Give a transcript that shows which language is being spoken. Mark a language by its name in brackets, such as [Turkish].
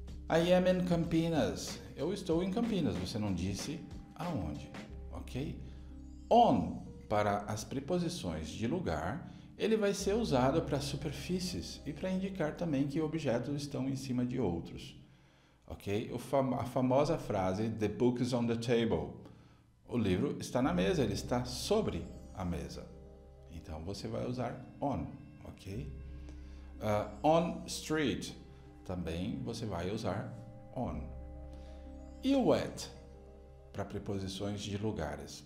[English] I am in Campinas. [Portuguese] Eu estou em Campinas. Você não disse aonde, ok? On, para as preposições de lugar, ele vai ser usado para superfícies e para indicar também que objetos estão em cima de outros, ok? A famosa frase, [English] the book is on the table. [Portuguese] O livro está na mesa, ele está sobre a mesa. Então, você vai usar on, ok? On street. Também você vai usar on. E o at para preposições de lugares?